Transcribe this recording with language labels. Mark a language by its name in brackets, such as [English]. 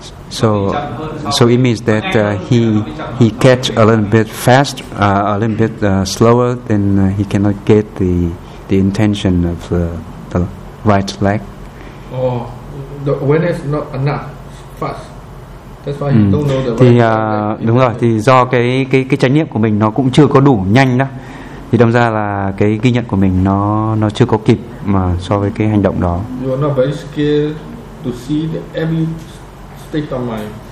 [English] So it means that he catch a little bit fast, a little bit slower, then he cannot get the intention of the right leg. Oh, the awareness not enough fast. That's why you don't know the right leg. [Vietnamese] Đúng rồi, thì do cái chánh niệm của mình nó cũng chưa có đủ nhanh đó. Thì đâm ra là cái ghi nhận của mình nó chưa có kịp mà so với cái hành động đó. [English] You are not very scared to see the every step of mine.